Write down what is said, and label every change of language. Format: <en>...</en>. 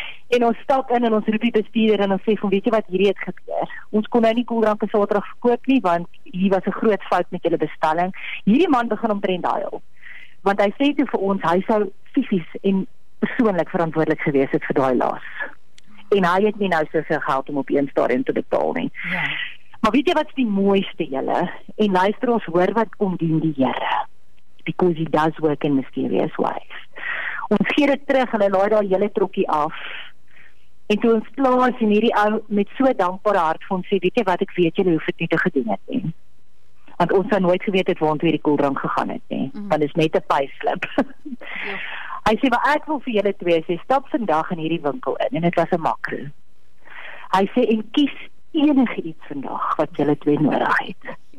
<af>En ons stap in en ons roep die bestuurder en ons sê, weet jy wat hierdie het gebeur? Ons kon nou nie koeldranke Saterdag verkoop nie, want hier was 'n groot fout met julle bestelling. Hierdie man begin omtrent huil. Want hy sê toe vir ons, hy sou fisies en persoonlik verantwoordelik gewees het vir daai laas. En hy het nie nou soveel geld om op een stadium te betaal nie. Ja. Maar weet jy wat is die mooiste julle? En luister, ons hoor wat kom doen die Here.</af> <en>Because he does work in mysterious ways.</en> <af>Ons gee dit terug en hy laai daai hele trokkie af. En toe ons plaas en hierdie ou met so dankbare hart vir ons sê, weet jy wat, ek weet julle hoef dit nie te gedoen het nie. Want ons sou nooit geweet het waarom hierdie koeldrank gegaan het nie. Want dit is net 'n payslip. Hy sê, maar ek wil vir julle twee sê, stap vandag in hierdie winkel in. En dit was 'n makro. Hy sê, en kies enige iets vandag wat julle twee nodig het.</af>